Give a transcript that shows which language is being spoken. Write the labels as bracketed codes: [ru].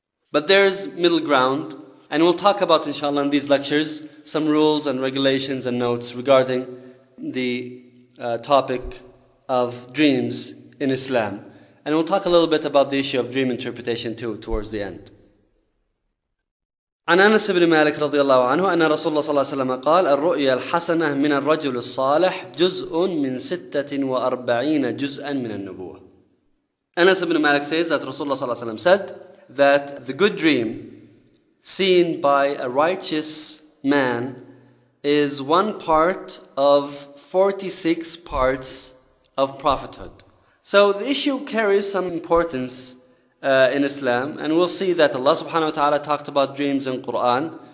[en] But there's middle ground, and we'll talk about, inshallah, in these lectures, some rules and regulations and notes regarding the topic of dreams in Islam. And we'll talk a little bit about the issue of dream interpretation too, towards the end. [ar] عن أنس بن مالك رضي الله عنه أن رسول الله صلى الله عليه وسلم قال الرؤيا الحسنة من الرجل الصالح جزء من 46 جزءا من النبوة. [en] أنس بن مالك says that Rasulullah صلى الله عليه وسلم said that the good dream seen by a righteous man is one part of 46 parts of prophethood. So the issue carries some importance in Islam, and we'll see that Allah subhanahu wa ta'ala talked about dreams in Quran.